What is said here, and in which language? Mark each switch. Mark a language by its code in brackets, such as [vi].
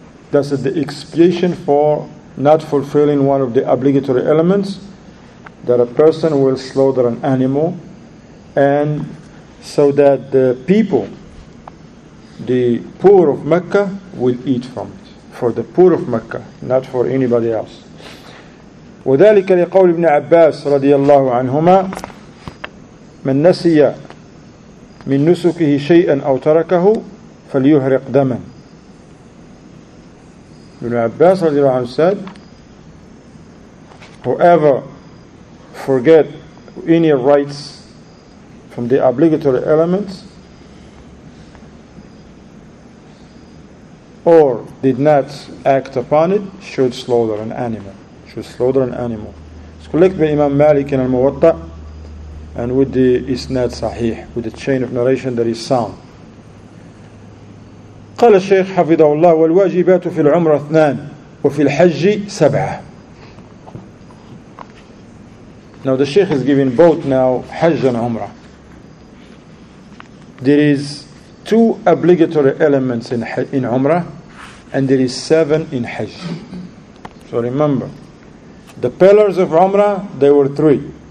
[en] That's the expiation for not fulfilling one of the obligatory elements, that a person will slaughter an animal, and so that the people, the poor of Mecca, will eat from it. For the poor of Mecca, not for anybody else. [ar] وذلك لقول ابن عباس رضي الله عنهما من نسي من نسكه شيئا أو تركه فليهرق دما. [en] Ibn Abbas radiallahu anhu said, whoever forget any rites from the obligatory elements or did not act upon it, should slaughter an animal. Should slaughter an animal. It's collected by Imam Malik in Al-Muwatta and with the Isnad Sahih, with the chain of narration that is sound. [ar] قال الشيخ حفظه الله والواجبات في العمرة اثنان وفي الحج سبعة. [en] Now the Shaykh is giving both now Hajj and Umrah. there is two obligatory elements in Umrah, and there is seven in Hajj. So remember, the pillars of Umrah, they were three.